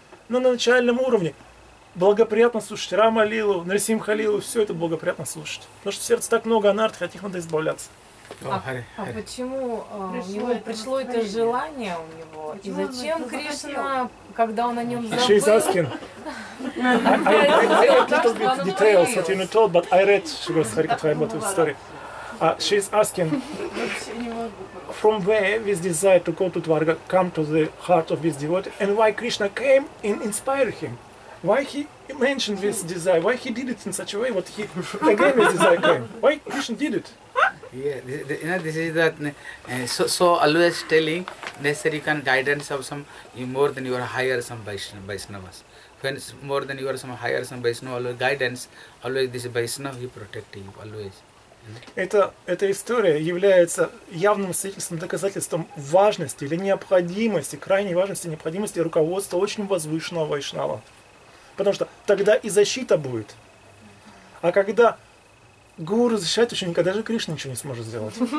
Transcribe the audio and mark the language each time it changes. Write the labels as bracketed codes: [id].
[ru] Но на начальном уровне благоприятно слушать Рама Лилу, Нарисим Халилу, все это благоприятно слушать. Потому что в сердце так много анартх, от них надо избавляться. А почему пришло это желание у него? Почему и зачем Кришна, захотел? Когда он о нем забыл? [en] She's asking. I read a little bit details that you not told, but I read Shugurdev Harikatha about this story. She's asking, from where this desire to go to Dwarka come to the heart of this devotee, and why Krishna came and inspired him? Why he mentioned this desire? Why he did it in such a way? What he again this desire came? Why Krishna did it? Yeah, this is that. So always telling necessary kind of guidance of some more than your higher some Vaishnavas. When it's more than you are some higher some Vaishnava always guidance, always this Vaishnava he protecting you always. [ru] Эта история является явным свидетельством, доказательством важности или необходимости, крайней важности, необходимости руководства очень возвышенного Вайшнава. Потому что тогда и защита будет. А когда гуру защищает ученика, даже Кришна ничего не сможет сделать.